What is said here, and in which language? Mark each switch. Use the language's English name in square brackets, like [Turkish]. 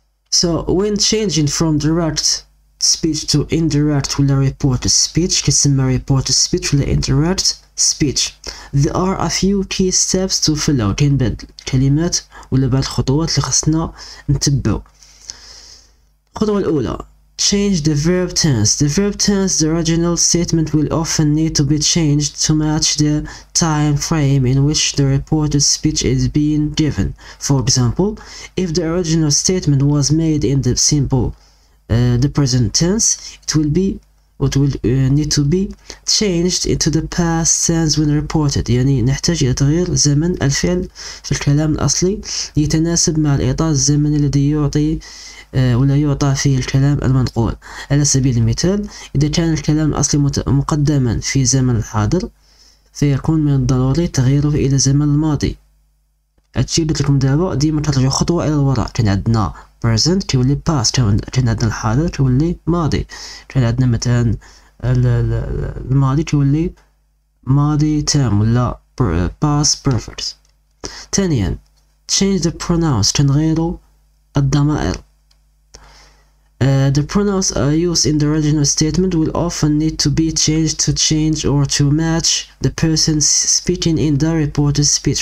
[English] So when changing from direct speech to indirect [Arabic] ولا [English] report speech, [Arabic] كيسمى [English] report speech ولا indirect speech, there are a few key steps to follow. [Arabic] كاين بعض الكلمات ولا بعض الخطوات اللي خصنا نتبعو. الخطوة الأولى, [English] change the verb tense. The verb tense, the original statement will often need to be changed to match the time frame in which the reported speech is being given. For example, if the original statement was made in the simple the present tense, it will need to be changed into the past tense when reported. [Arabic] يعني نحتاج الى تغيير زمن الفعل في الكلام الاصلي يتناسب مع الاطار الزمني الذي يعطي ولا يعطى فيه الكلام المنقول. على سبيل المثال, إذا كان الكلام الأصلي مقدما في زمن الحاضر فيكون من الضروري تغييره إلى زمن الماضي. هادشي اللي قلت لكم دابا, ديما ترجعوا خطوة إلى الوراء. كان عندنا present كيولي past, كان عندنا الحاضر كيولي ماضي, كان عندنا مثلا الماضي كيولي ماضي تام ولا [English] past perfect. ثانيا, change the pronouns, [Arabic] تنغيروا الضمائر. [English] The pronouns used in the original statement will often need to be changed to change or to match the person speaking in the reported speech.